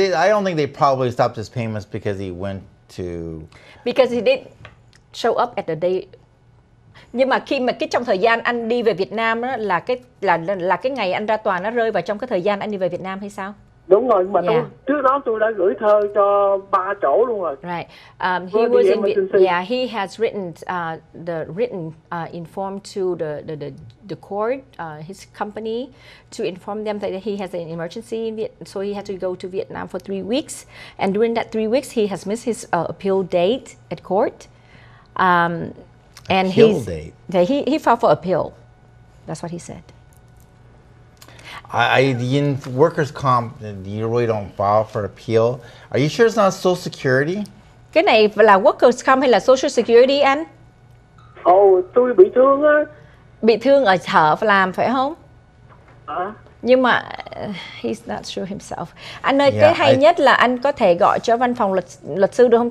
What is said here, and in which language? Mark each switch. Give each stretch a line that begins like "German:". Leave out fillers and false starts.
English: I don't think they probably stopped his payments because he went to. Because he didn't show up at the day.
Vietnamese: Nhưng mà khi mà cái trong thời gian anh đi về Việt Nam đó, là cái ngày anh ra tòa nó rơi vào trong cái thời gian anh đi về Việt Nam hay sao? Đúng rồi, mà trước đó tôi đã gửi thơ cho ba chỗ luôn rồi.
English: Right. He was in he has written informed to the court, his company, to inform them that he has an emergency in Vietnam, so he had to go to Vietnam for 3 weeks, and during that 3 weeks he has missed his appeal date at court. And appeal date. He filed for appeal. That's what he said. I in workers' comp, you really don't file for appeal. Are you sure it's not Social Security?
Vietnamese: Cái này là workers comp hay là social security anh? Tôi bị thương á. Bị thương ở thở làm phải không? À. Nhưng mà
English: he's not sure himself.
Vietnamese: Anh ơi, cái hay nhất là anh có thể gọi cho văn phòng luật sư được không?